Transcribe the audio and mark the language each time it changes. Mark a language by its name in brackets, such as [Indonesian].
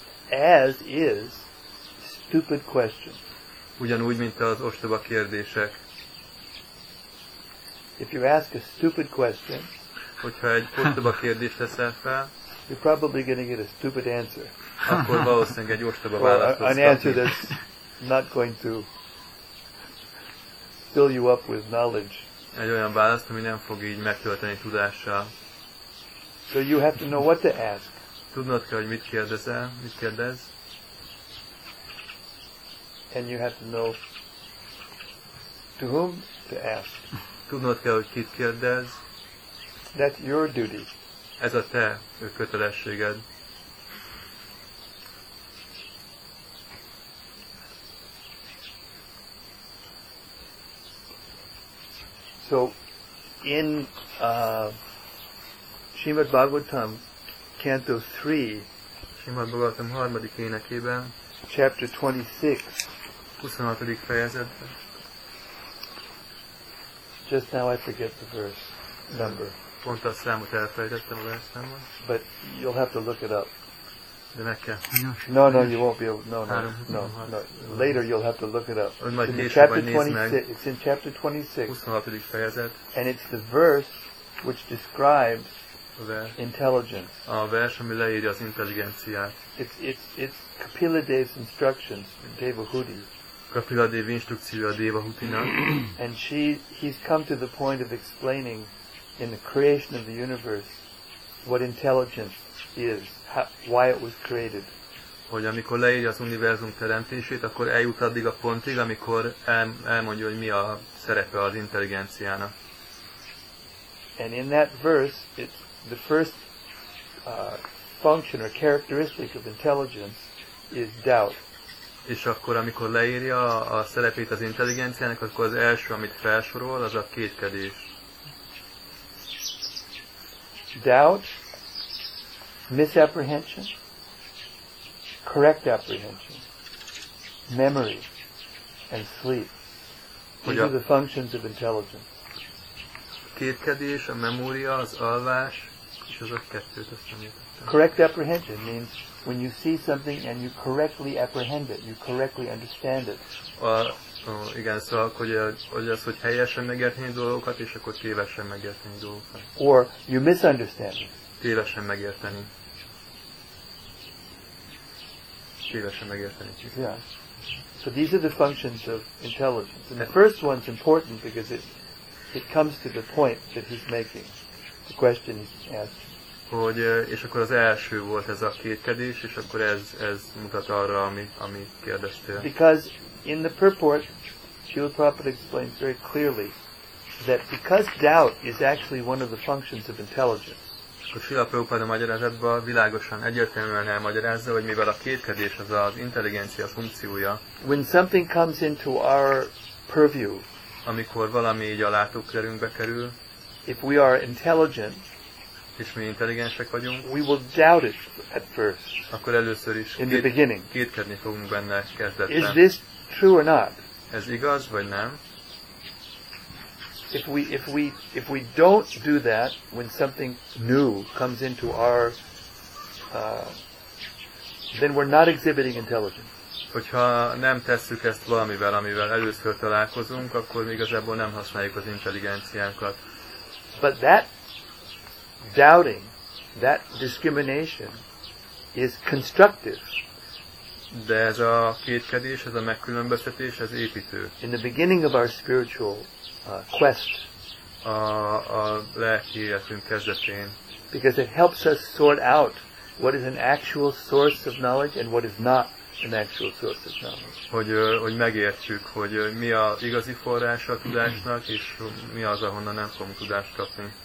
[English] As is stupid question. [Hungarian] Ugyanúgy, mint az ostoba kérdések. [English] If you ask a stupid question, [Hungarian] hogyha egy ostoba kérdést teszel fel, [English] you're probably going to get a stupid answer. [Hungarian] Akkor valószínűleg egy ostoba választ fogsz kapni. [English] An answer that's not going to fill you up with knowledge. [Hungarian] Egy olyan választ, ami nem fog így megtölteni tudással. [English] So you have to know what to ask. [Hungarian] Tudnod kell, hogy mit kérdezel, mit kérdez. [English] And you have to know to whom to ask. [Hungarian] Tudnod kell, hogy kit kérdez. [English] That's your duty. [Hungarian] Ez a te kötelességed. [English] So, in Srimad Bhagavatam, Canto 3, [Hungarian] Srimad Bhagavatam harmadik énekében, [English] Chapter 26, [Hungarian] 26. fejezetben, [English] just now I forget the verse number. [Hungarian] Pont a számot elfelejtettem a verszámmal. [English] But you'll have to look it up. [Hungarian] De meg kell. [English] No, you won't be able to. No. Later you'll have to look it up. It's in chapter 26. It's in chapter 26. [Hungarian] 26. Fejezet. [English] And it's the verse which describes intelligence. [Hungarian] A vers, ami leírja az intelligenciát. [English] It's Kapila Dev's instructions, Devahuti. [Hungarian] Kapila Dev instrukciója Devahutinak. [English] And he's come to the point of explaining in the creation of the universe what intelligence is, why it was created. [Hungarian] Hogy amikor leírja az univerzum teremtését, akkor eljut addig a pontig, amikor elmondja, hogy mi a szerepe az intelligenciának. [English] And in that verse, it's the first function or characteristic of intelligence is doubt. [Hungarian] És akkor, amikor leírja a szerepét az intelligenciának, akkor az első, amit felsorol, az a kétkedés. [English] Doubt, misapprehension, correct apprehension, memory, and sleep. These are the functions of intelligence. [Hungarian] Kétkedés, a memória, az alvás, és az a kettőt azt említettem. [English] Correct apprehension means when you see something and you correctly apprehend it, you correctly understand it. [Hungarian] Igen, szóval, hogy az, hogy helyesen megérteni dolgokat, és akkor tévesen megérteni dolgokat. [English] Or you misunderstand it. [Hungarian] Tévesen megérteni. Tévesen megérteni. [English] Yeah. So these are the functions of intelligence. And the first one's important because it comes to the point that he's making, the question he's asking. [Hungarian] Hogy, és akkor az első volt ez a kétkedés, és akkor ez mutat arra, ami kérdeztél. [English] Because in the purport, Srila Prabhupada explains very clearly that because doubt is actually one of the functions of intelligence. [Hungarian] Akkor Srila Prabhupada magyarázatban világosan egyértelműen elmagyarázza, hogy mivel a kétkedés az az intelligencia funkciója. [English] When something comes into our purview, [Hungarian] amikor valami így a látókörünkbe kerül, [English] if we are intelligent, [Hungarian] és mi intelligensek vagyunk, [English] we will doubt it at first, [Hungarian] akkor először is in the beginning. Kétkedni fogunk benne kezdetben. [English] Is this true or not? [Hungarian] Ez igaz vagy nem? [English] If we don't do that when something new comes into our then we're not exhibiting intelligence. [Hungarian] Hogyha nem tesszük ezt valamivel, amivel először találkozunk, akkor igazából nem használjuk az intelligenciánkat. [English] But that doubting, that discrimination is constructive. [Hungarian] De ez a kétkedés, ez a megkülönböztetés, ez építő. [English] In the beginning of our spiritual quest, [Hungarian] a lelki életünk kezdetén. [English] Because it helps us sort out what is an actual source of knowledge and what is not. An actual source of knowledge. [Hungarian] Hogy megértsük, hogy mi a igazi forrás a tudásnak, és mi az, ahonnan nem fogunk tudást kapni.